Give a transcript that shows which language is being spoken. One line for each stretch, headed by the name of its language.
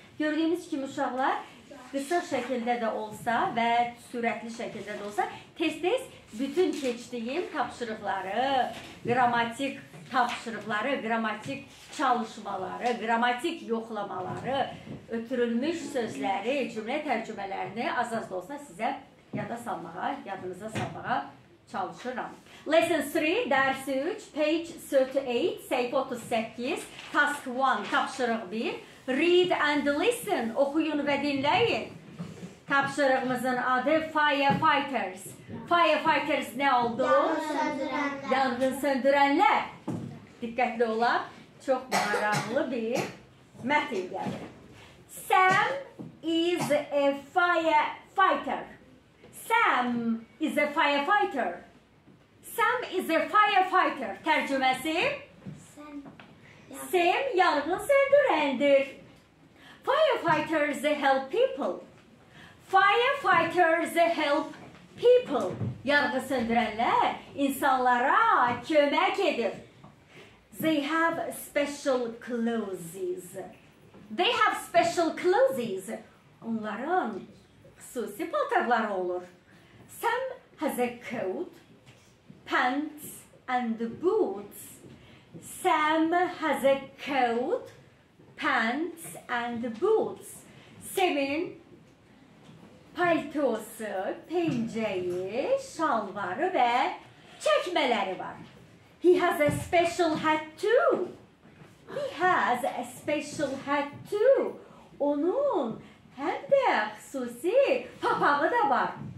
Azerbaijani: Gördüyünüz kimi uşaqlar, qısa şəkildə də olsa və sürətli şəkildə də olsa, tez-tez bütün keçdiyim tapşırıqları, qrammatik tapşırıqları, qrammatik çalışmaları, qrammatik yoxlamaları, ötürülmüş sözləri, cümlə tərcümələrini az-az da olsa sizə yada salmağa, yadınıza salmağa çalışıram.
English: Lesson 3,
Azerbaijani: dərs 3,
English: page 38,
Azerbaijani: sayfa 38,
English: task 1,
Azerbaijani: tapşırıq 1.
English: Read and listen,
Azerbaijani: oxuyun və dinləyin. Tapşırığımızın adı Firefighters. Firefighters nə oldu? Yangın söndürənlər. Diqqətli olaq, çox maraqlı bir mətn gəlir.
English: Sam is a firefighter. Sam is a firefighter. Sam is a firefighter.
Azerbaijani: Tərcüməsi? Sam yangın söndürəndir.
English: Firefighters help people. Firefighters help people.
Azerbaijani: Yangı söndürənlər insanlara kömək edir.
English: They have special clothes. They have special clothes.
Azerbaijani: Onların xüsusi paltarları olur.
English: Sam has a coat, pants and boots. Sam has a coat, pants and boots.
Azerbaijani: Sam'in paltosu, pencəyi, şalvarı və çəkmələri var.
English: He has a special hat too. He has a special hat too.
Azerbaijani: Onun həm də xüsusi papağı da var.